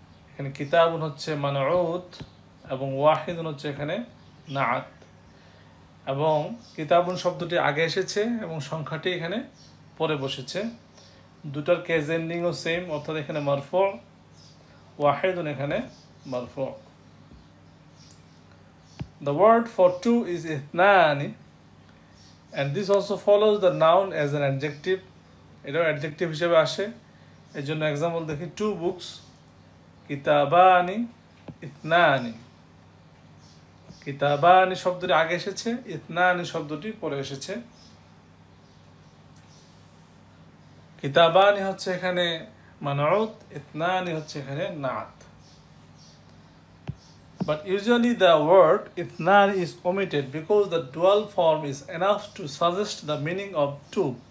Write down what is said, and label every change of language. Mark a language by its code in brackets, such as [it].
[bn] এখানে কিতাবুন হচ্ছে মানউত, এবং ওয়াহেদুন হচ্ছে এখানে নাআত। এবং কিতাবুন শব্দটি আগে এসেছে এবং সংখ্যাটি এখানে পরে বসেছে, দুটার কেজ এন্ডিংও সেম, অর্থাৎ এখানে মারফু, ওয়াহেদুন এখানে মারফু। [en] The word for two is ithnani, and this also follows the noun as an adjective. [bn] এটা অ্যাডজেক্টিভ হিসেবে আসে, এর জন্য এক্সাম্পল দেখি [en] two books, [ar] কিতাবানি ইথনানি। [bn] কিতাবানি শব্দটি আগে এসেছে, ইথনানি শব্দটি পরে এসেছে। কিতাবানি হচ্ছে এখানে মানউত, ইথনানি হচ্ছে এখানে নাআত। [en] But usually the word ithnan is omitted because the dual form is enough to suggest the meaning of two.